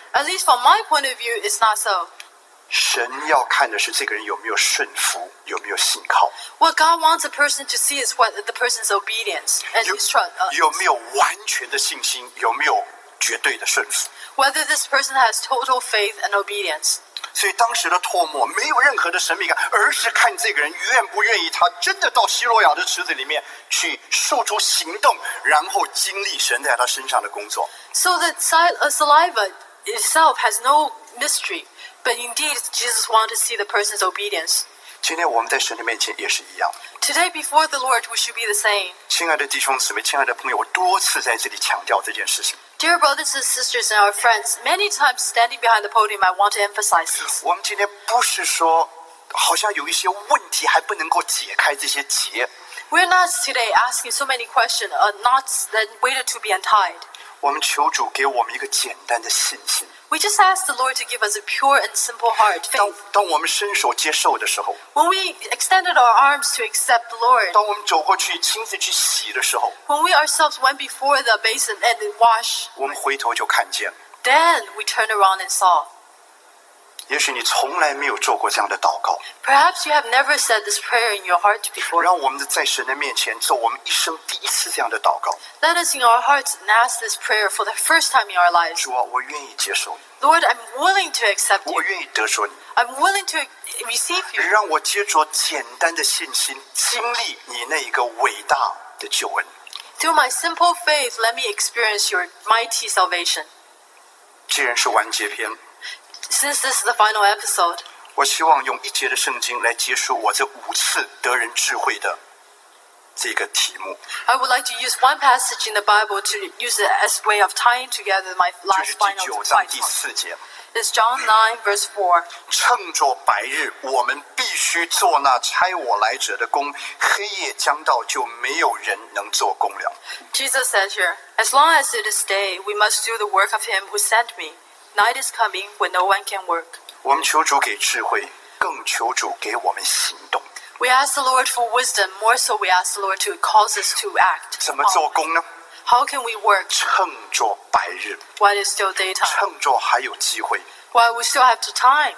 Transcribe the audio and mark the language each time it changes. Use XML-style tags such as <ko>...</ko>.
<en>At least from my point of view, it's not so.</en> <zh>神要看的是这个人有没有顺服，有没有信靠。</zh> <en>What God wants a person to see is what the person's obedience and his trust.</en> <zh>有没有完全的信心，有没有绝对的顺服。</zh> <en>Whether this person has total faith and obedience.</en> <zh>所以当时的唾沫没有任何的神秘感，而是看这个人愿不愿意他真的到希罗亚的池子里面去说出行动，然后经历神在他身上的工作。</zh> <en>So the saliva itself has no mystery, but indeed Jesus wanted to see the person's obedience.</en> <zh>今天我们在神的面前也是一样。</zh> <en>Today before the Lord we should be the same.</en> <zh>亲爱的弟兄姊妹，亲爱的朋友，我多次在这里强调这件事情。</zh> <en>Dear brothers and sisters and our friends, many times standing behind the podium, I want to emphasize this.</en> <zh>我们今天不是说好像有一些问题还不能够解开这些结。</zh> <en>We're not today asking so many questions, not that waited to be untied.</en> <zh>我们求主给我们一个简单的信心。</zh> <en>We just ask the Lord to give us a pure and simple heart, faith.</en> <zh>当我们伸手接受的时候。</zh> <en>When we extended our arms to accept the Lord.</en> <zh>当我们走过去亲自去洗的时候。</zh> <en>When we ourselves went before the basin and washed.</en> <zh>我们回头就看见。</zh> <en>Then we turned around and saw.</en> <zh>也许你从来没有做过这样的祷告。</zh> <en>Perhaps you have never said this prayer in your heart before.</en> <zh>让我们在神的面前做我们一生第一次这样的祷告。</zh> <en>Let us in our hearts and ask this prayer for the first time in our lives.</en> <zh>主啊，我愿意接受你。</zh> <en>Lord, I'm willing to accept you.</en> <zh>我愿意得着你。</zh> <en>I'm willing to receive you.</en> <zh>让我接着简单的信心，经历你那一个伟大的救恩。</zh> <en>Through my simple faith, let me experience your mighty salvation.</en> <zh>既然是完结篇。</zh> <en>Since this is the final episode,</en> <zh>我希望用一节的圣经来结束我这五次得人智慧的这个题目。</zh> <en>I would like to use one passage in the Bible to use it as a way of tying together my last final point.</en> <zh>就是第九章第四节。</zh> <en>It's John 9 verse 4.</en> <zh>趁着白日，我们必须做那差我来者的工；黑夜将到，就没有人能做工了。</zh> <en>Jesus says here, as long as it is day, we must do the work of him who sent me. Night is coming when no one can work.</en> <zh>我们求主给智慧，更求主给我们行动。</zh> <en>We ask the Lord for wisdom, more so we ask the Lord to cause us to act.</en> <zh>怎么做工呢？</zh> <en>How can we work?</en> <zh>趁着白日。</zh> <en>While it's still daytime.</en> <zh>趁着还有机会。</zh> <en>While we still have the time.</en>